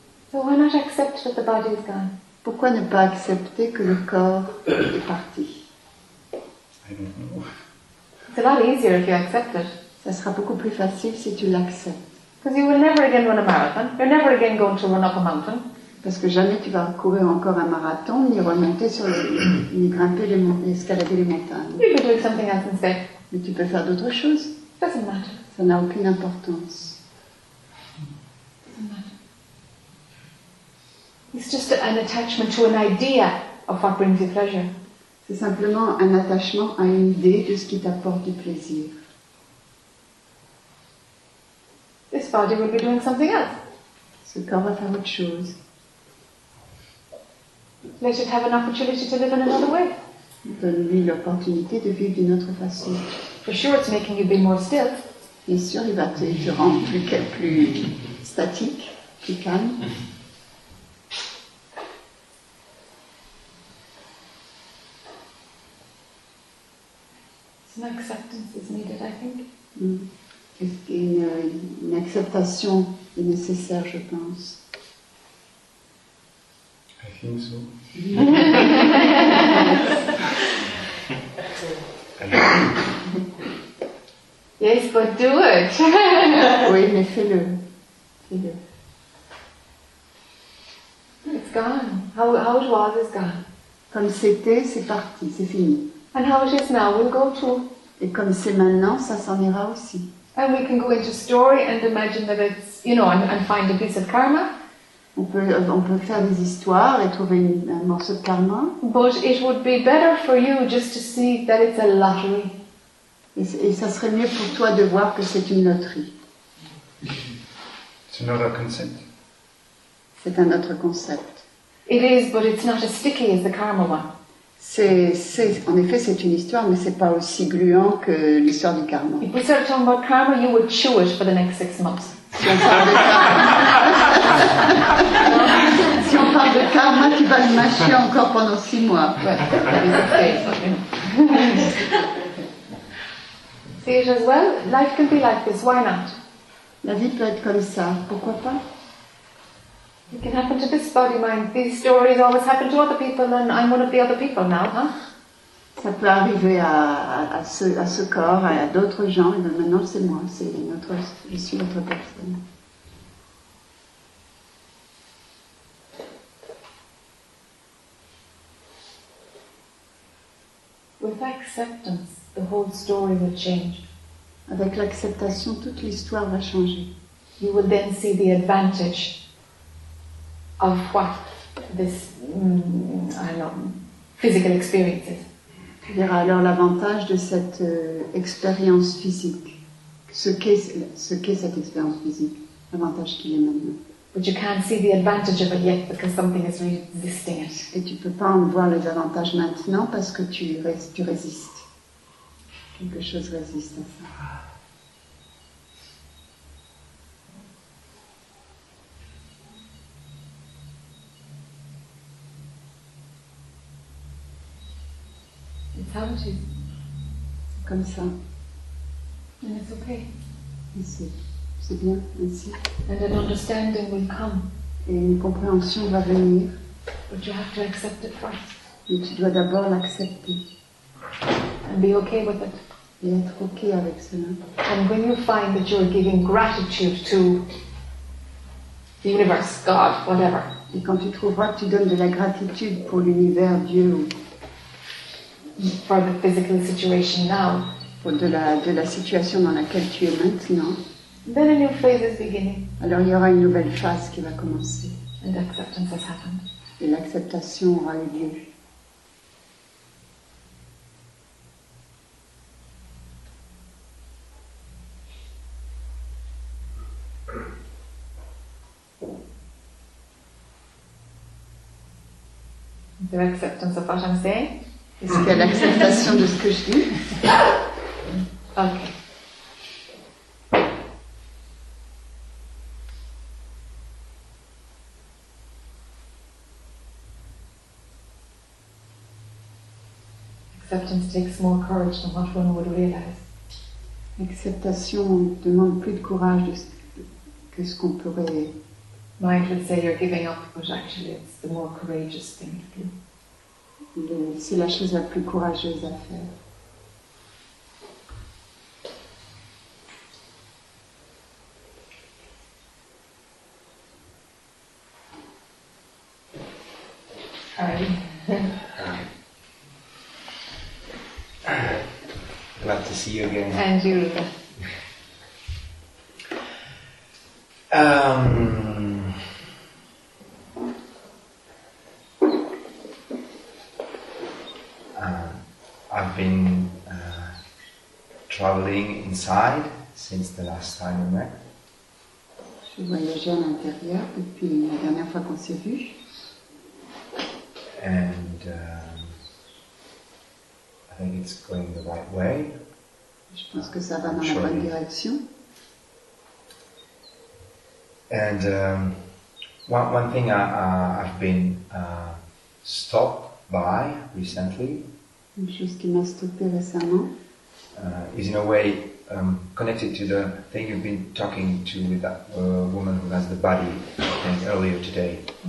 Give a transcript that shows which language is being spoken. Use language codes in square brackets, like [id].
[en] So why not accept that the body is gone? [fr] Pourquoi ne pas accepter que le corps est parti? [en] I don't know. It's a lot easier if you accept it. [fr] Ça sera beaucoup plus facile si tu l'acceptes. [en] Because you will never again run a marathon. You're never again going to run up a mountain. [fr] Parce que jamais tu vas courir encore un marathon, ni remonter sur ni grimper les escalader les montagnes. [en] You can do something else instead. [fr] Mais tu peux faire d'autres choses. [en] It doesn't matter. [fr] Ça n'a aucune importance. [en] It doesn't matter. It's just an attachment to an idea of what brings you pleasure. [fr] C'est simplement un attachement à une idée de ce qui t'apporte du plaisir. [en] This body will be doing something else. [fr] Ce corps va faire autre chose. [en] Let it have an opportunity to live in another way. [fr] Donne-lui l'opportunité de vivre d'une autre façon. [en] For sure, it's making you be more still. [fr] Bien sûr, il va te rendre plus statique, plus calme. [en] Some acceptance is needed, I think. [fr] Une acceptation est nécessaire, je pense. [en] I think so. Yes, but do it. [fr] Oui, mais fais-le. Fais-le. [en] It's gone. How it was is gone. [fr] Comme c'était, c'est parti, c'est fini. [en] And how it is now, we'll go too. [fr] Et comme c'est maintenant, ça s'en ira aussi. [en] And we can go into story and imagine that it's, you know, and find a piece of karma. [fr] On peut faire des histoires et trouver un morceau de karma. [en] But it would be better for you just to see that it's a lottery. [fr] Et ça serait mieux pour toi de voir que c'est une loterie. [en] It's another concept. [fr] C'est un autre concept. [en] It is, but it's not as sticky as the karma one. [fr] C'est, en effet, c'est une histoire, mais c'est pas aussi gluant que l'histoire du karma. [en] If we start talking about karma, you would chew it for the next 6 months. [fr] Si on parle de karma, tu vas le mâcher encore pendant 6 mois. [en] See it as well? Life can be like this, why not? [fr] La vie peut être comme ça, pourquoi pas? [en] It can happen to this body mind. These stories always happen to other people, and I'm one of the other people now, huh? [fr] Ça peut arriver à ce corps, à d'autres gens, et maintenant c'est moi, je suis notre personne. [en] With acceptance, the whole story will change. [fr] Avec l'acceptation, toute l'histoire va changer. [en] You will then see the advantage of what this, I don't know, physical experience is. [fr] Tu verras alors l'avantage de cette expérience physique. Ce qu'est cette expérience physique, l'avantage qu'il y a maintenant. [en] But you can't see the advantage of it yet because something is resisting it. [fr] Et tu peux pas en voir les avantages maintenant parce que tu résistes. Quelque chose résiste à ça. [en] How to? [fr] Comme ça. [en] And it's okay. [fr] Ici. C'est bien, ici. [en] And an understanding will come. [fr] Et une compréhension va venir. [en] But you have to accept it first. [fr] Mais tu dois d'abord l'accepter. [en] And be okay with it. [fr] Et être okay avec cela. [en] And when you find that you're giving gratitude to the universe, God, whatever. [fr] Et quand tu trouveras que tu donnes de la gratitude pour l'univers, Dieu, [en] for the physical situation now, [fr] de la situation dans laquelle tu es maintenant, [en] then a new phase is beginning. [fr] Alors il y aura une nouvelle phase qui va commencer. [en] And acceptance has happened. [fr] Et l'acceptation aura eu lieu. [en] The acceptance of what I'm saying. [fr] Est-ce qu'il y a l'acceptation de ce que je dis? [en] Ok. Acceptance takes more courage than what one would realize. [fr] L'acceptation demande plus de courage que ce qu'on pourrait. [en] Mind would say you're giving up, but actually it's the more courageous thing to do. [fr] C'est la chose la plus courageuse à faire. [en] Hi. Glad to see you again. And you. I've been traveling inside since the last time we met. [fr] Je voyage à l'intérieur depuis la dernière fois qu'on s'est vu. [en] And I think it's going the right way. [fr] Je pense que ça va dans la bonne direction. [en] And one thing I've been stopped by recently. [fr] Une chose qui m'a stoppé récemment. [en] is in a way connected to the thing you've been talking to with that woman who has the body thing earlier today.